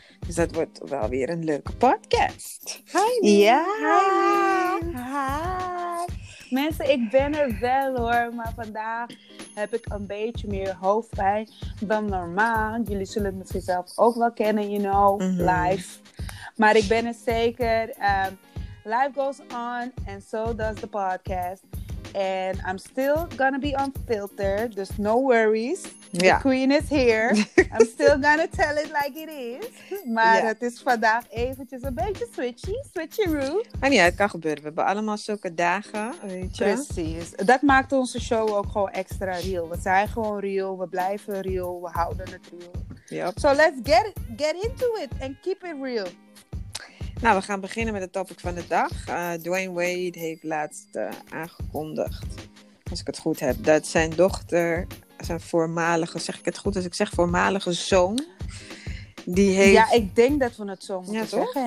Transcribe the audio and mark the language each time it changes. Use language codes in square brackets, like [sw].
[nl] Dus dat wordt wel weer een leuke podcast. Hi! Ja! Hi! Mensen, ik ben er wel hoor, maar vandaag heb ik een beetje meer hoofdpijn dan normaal. Jullie zullen het misschien zelf ook wel kennen, you know, Life. Maar ik ben er zeker. [en] Life goes on and so does the podcast. And I'm still gonna be unfiltered, dus no worries. Yeah. The queen is here. I'm still gonna tell it like it is. [nl] Maar het is vandaag eventjes een beetje switcheroo. Maar ja, het kan gebeuren. We hebben allemaal zulke dagen, weet je. Precies. Dat maakt onze show ook gewoon extra real. We zijn gewoon real, we blijven real, we houden het real. Yep. [en] So let's get into it and keep it real. [nl] Nou, we gaan beginnen met het topic van de dag. Dwayne Wade heeft laatst aangekondigd, als ik het goed heb, dat zijn dochter, zijn voormalige, zeg ik het goed als ik zeg, voormalige zoon, die heeft... Ja, ik denk dat we het zo moeten zeggen.